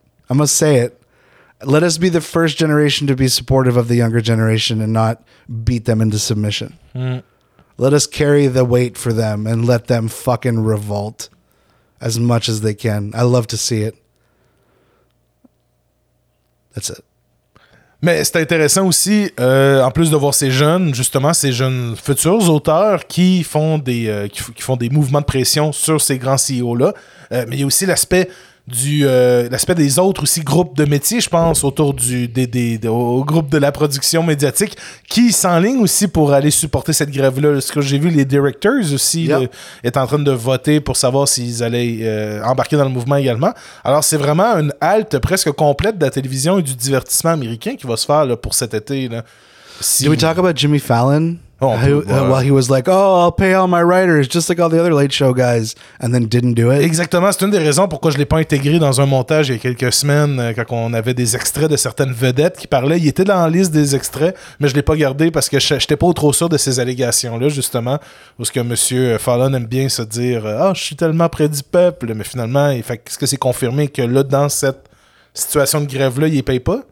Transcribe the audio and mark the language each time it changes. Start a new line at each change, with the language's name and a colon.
English: I must say it. Let us be the first generation to be supportive of the younger generation and not beat them into submission. Mm. Let us carry the weight for them and let them fucking revolt as much as they can. I love to see it. That's it.
French: Mais c'est intéressant aussi, en plus de voir ces jeunes, justement, ces jeunes futurs auteurs qui font des mouvements de pression sur ces grands CEO-là, mais il y a aussi l'aspect l'aspect des autres aussi groupes de métiers, je pense, autour au groupe de la production médiatique qui s'enlignent aussi pour aller supporter cette grève-là. Ce que j'ai vu, les directors aussi est en train de voter pour savoir s'ils allaient embarquer dans le mouvement également. Alors, c'est vraiment une halte presque complète de la télévision et du divertissement américain qui va se faire là, pour cet été. Là. Si...
English: Did we talk about Jimmy Fallon? Well, he was like, "Oh, I'll pay all my writers just like all the other late show guys," and then didn't do it.
French: Exactement, c'est une des raisons pourquoi je l'ai pas intégré dans un montage il y a quelques semaines quand on avait des extraits de certaines vedettes qui parlaient. Il était dans la liste des extraits, mais je l'ai pas gardé parce que j'étais pas trop sûr de ces allégations-là, justement, où ce que M. Fallon aime bien se dire, "Oh, je suis tellement près du peuple," mais finalement, est-ce que c'est confirmé que là, dans cette situation de grève-là, il paye pas?